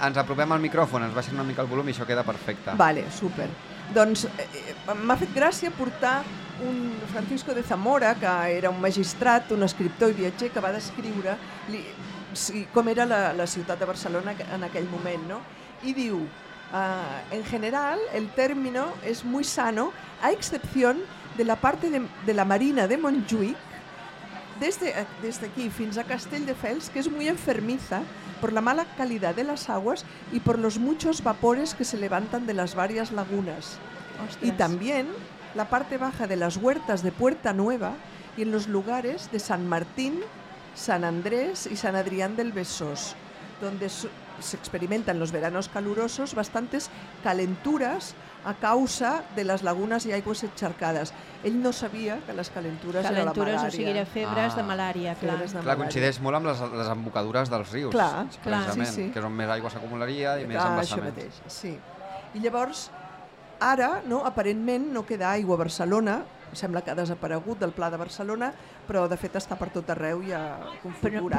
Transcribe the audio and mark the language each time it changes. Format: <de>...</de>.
<ca>Ens apropem al micròfon, ens baixen una mica el volum i això queda perfecte. Vale, super. Doncs m'ha fet gràcia portar un Francisco de Zamora, que era un magistrat, un escriptor i viatger, que va descriure com era la ciutat de Barcelona en aquell moment, no? I diu,</ca> <es>en general, el término es muy sano, a excepción de la parte de la Marina de Montjuïc, desde aquí</es> <ca>fins a</ca> <es>Castelldefels, que es muy enfermiza por la mala calidad de las aguas y por los muchos vapores que se levantan de las varias lagunas. Ostres. Y también la parte baja de las huertas de Puerta Nueva y en los lugares de San Martín, San Andrés y San Adrián del Besós, donde se experimentan los veranos calurosos bastantes calenturas a causa de las lagunas y aguas encharcadas.</es> <ca>Ell no sabia que les calentures eren la malària. Calentures, o sigui, febres de malària. Clar, coincideix molt amb les embocadures dels rius, clar, precisament, clar. Sí, sí. Que és on més aigua s'acumularia i més embassaments. Això mateix, sí. I llavors, ara, no, aparentment, no queda aigua a Barcelona, sembla que ha desaparegut del Pla de Barcelona, però de fet està per tot arreu i ha configurat.</ca>